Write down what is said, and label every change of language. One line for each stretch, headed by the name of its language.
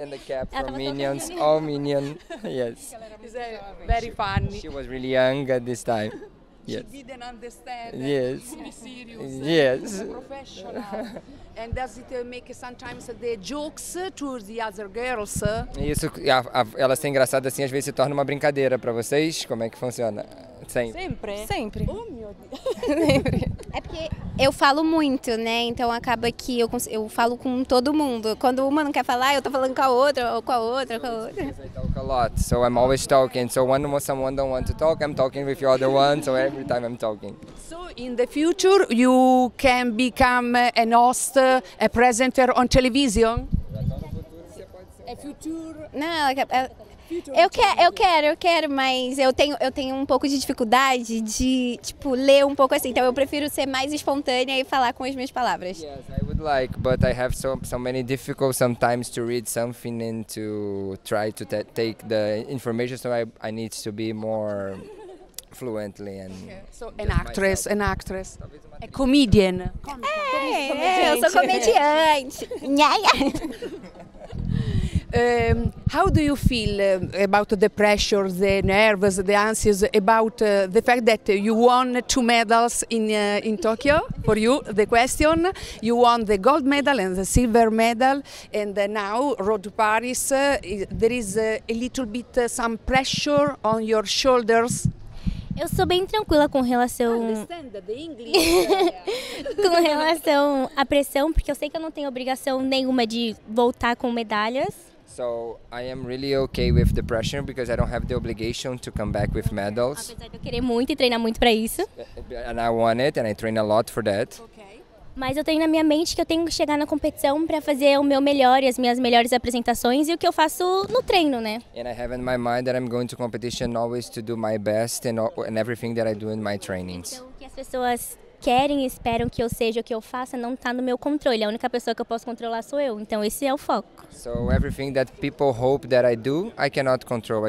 English: And the cap from Minions, all Minions, yes. Very funny. She was really young at this time. Yes. She didn't understand. Yes. Be serious. Yes. Professional. And does it make sometimes the jokes to the other girls?
Portuguese: Isso, ela ser engraçada assim, às vezes se torna uma brincadeira para vocês? Como é que funciona? Sempre? Sempre. Oh, meu Deus. É porque eu falo muito, né? Então acaba que eu falo com todo mundo. Quando uma não quer falar, eu tô falando com a outra, ou com a outra, ou com a outra.
English: I talk a lot, so I'm always talking. So when someone don't want to talk, I'm talking with the other one, so every time I'm talking. So in the future you can become an host, a presenter on television? A future?
Portuguese: Não, Eu quero, mas eu tenho um pouco de dificuldade de, tipo, ler um pouco assim. Então eu prefiro ser mais espontânea e falar com as minhas palavras.
English: Yes, I would like, but I have so many difficult sometimes to read something and to try to take the information, so I need to be more fluently and okay. So an actress. A comedian.
Portuguese: Eu sou comediante.
English: How do you feel about the pressure, the nerves, the anxieties, about the fact that you won two medals in Tokyo? For you, the question, you won the gold medal and the silver medal, and now Road to Paris, there is a little bit some pressure on your shoulders.
Portuguese: Eu sou bem tranquila com relação com relação à pressão, porque eu sei que eu não tenho obrigação nenhuma de voltar com medalhas.
English: So I am really okay with the pressure because I don't have the obligation to come back with medals.
Portuguese: Apesar de eu querer muito e treinar muito para isso.
English: And I want it and I train a lot for that.
Portuguese: Mas eu tenho na minha mente que eu tenho que chegar na competição para fazer o meu melhor e as minhas melhores apresentações e o que eu faço no treino, né?
English: And I have in my mind that I'm going to competition always to do my best and everything that I do in my trainings.
Portuguese: Então, o que as pessoas querem e esperam que eu seja, o que eu faça, não está no meu controle. A única pessoa que eu posso controlar sou eu. Então, esse é o foco.
English: So everything that people hope that I do, I cannot control.